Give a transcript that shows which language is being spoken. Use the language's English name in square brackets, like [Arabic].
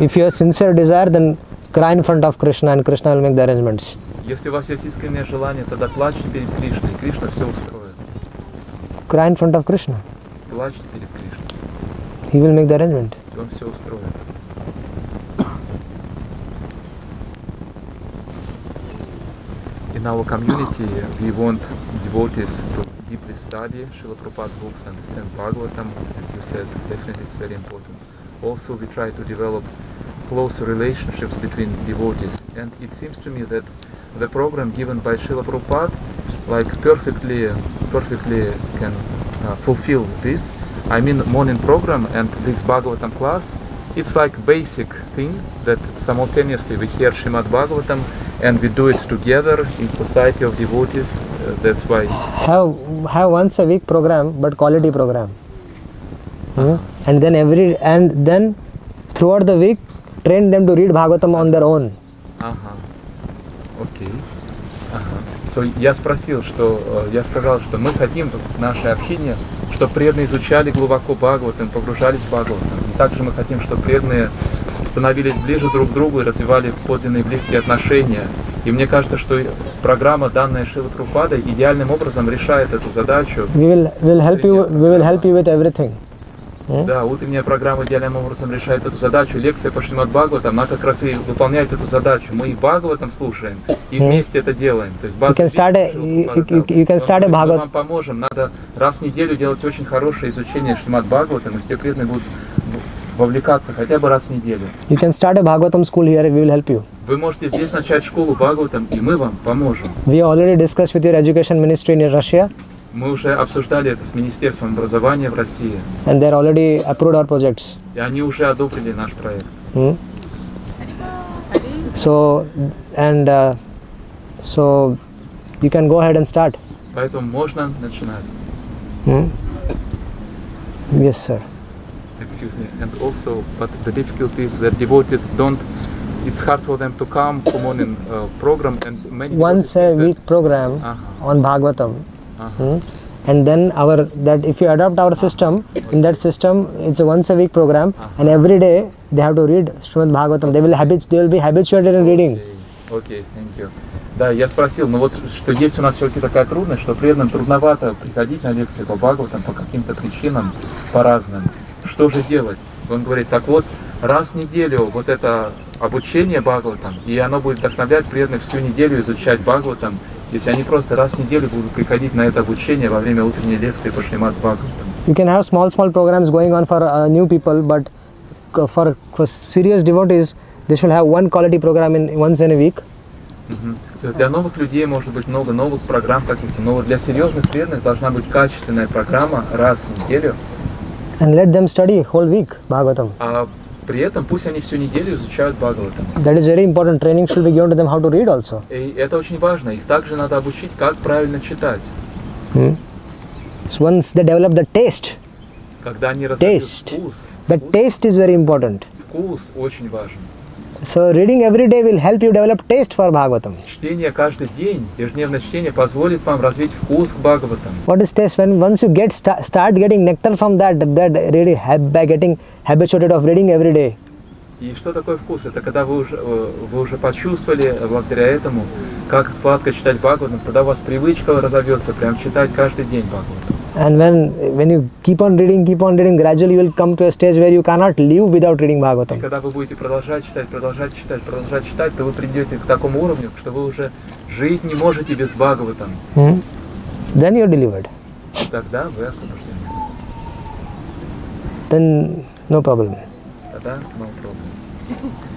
[English] If you have sincere desire, then cry in front of Krishna and Krishna will make the arrangements. [Russian] Если у вас есть искреннее желание, тогда плачьте перед Кришной, и Кришна все устроит. [English] Cry in front of Krishna. [Russian] Плачьте перед Кришной. [English] He will make the arrangement. [Russian] И он все устроит. [English] In our community, we want devotees to deeply study Srila Prabhupada's books, understand Bhagavatam, as you said, definitely it's very important. Also, we try to develop closer relationships between devotees. And it seems to me that the program given by Srila Prabhupada, like perfectly can Krishna fulfill this. I mean, morning program and this Bhagavatam class, it's like basic thing that simultaneously we hear Srimad Bhagavatam and we do it together in society of devotees. That's why. Have once a week program, but quality program. Uh-huh. And then throughout the week, train them to read Bhagavatam on their own. Uh-huh. Okay. Uh-huh. [Russian] So, я сказал, что мы хотим в наше общение, чтобы преданные изучали глубоко Бхагаватам, погружались в Бхагаватам. Также мы хотим, чтобы преданные становились ближе друг к другу и развивали подлинные близкие отношения. И мне кажется, что программа, данная Шрилы Прабхупадой, идеальным образом решает эту задачу. [English] We will help you with everything. [Russian] Да, утренняя программа идеальным образом решает эту задачу. Лекция по Шримад Бхагаватам, она как раз и выполняет эту задачу. Мы и Бхагаватам слушаем, и вместе это делаем. То есть мы вам поможем. Надо раз в неделю делать очень хорошее изучение Шримад Бхагаватам, и все преданные будут вовлекаться хотя бы раз в неделю. [English] You can start a Bhagavatam school here, we will help you. [Russian] Вы можете здесь начать школу Бхагаватам, и мы вам поможем. [English] We already discussed with your education ministry in Russia. [Russian] Мы уже обсуждали это с Министерством образования в России. [English] And they already approved our projects. [Russian] И они уже одобрили наш проект. Mm-hmm. [English] So, and so you can go ahead and start. [Russian] Поэтому можно начинать. [English] Mm-hmm. Yes, sir. Excuse me. And also, but the difficulty is that devotees don't. It's hard for them to come for morning program and many. Once a week program on Bhagavatam. Uh-huh. And then if you adopt our system, in that system it's a once a week program, and every day they have to read Srimad Bhagavatam. They will be habituated in reading. Okay, thank you. [Russian] Да, я спросил, но вот что есть у нас все-таки такая трудность, что преданным трудновато приходить на лекции по Бхагаватам по каким-то причинам, по разным. Что же делать? Он говорит, так вот, раз в неделю вот это обучение Бхагаватам, и оно будет вдохновлять преданных всю неделю изучать Бхагаватам, если они просто раз в неделю будут приходить на это обучение во время утренней лекции по Шримад Бхагаватам. [English] You can have small programs going on for new people, but for serious devotees, they should have one quality program once in a week. [Russian] То есть для новых людей может быть много новых программ каких-то, но для серьезных преданных должна быть качественная программа раз в неделю. [English] And let them study whole week Bhagavatam. [Russian] При этом пусть они всю неделю изучают Бхагаватам. [English] That is very important. Training should be given to them how to read also. [Russian] И это очень важно. Их также надо обучить, как правильно читать. [English] So once they develop the taste. [Russian] Когда они развивают вкус. [English] The taste is very important. [Russian] Вкус очень важен. [English] So reading every day will help you develop taste for Bhagavatam. [Russian] Чтение каждый день, ежедневное чтение позволит вам развить вкус к Бхагаватам. [English] What is taste? When once you get start getting nectar from that really by getting habituated of reading every day. [Russian] И что такое вкус? Это когда вы уже почувствовали благодаря этому, как сладко читать Бхагаватам, тогда у вас привычка разовьется прям читать каждый день Бхагаватам. [English] And when you keep on reading, gradually you will come to a stage where you cannot live without reading Bhagavatam. [Russian] Когда вы будете продолжать читать, то вы придете к такому уровню, что вы уже жить не можете без Бхагаватам. [English] Then you are delivered. [Russian] Тогда вы освобождены. [English] Then no problem. [Russian] Тогда [English] no problem.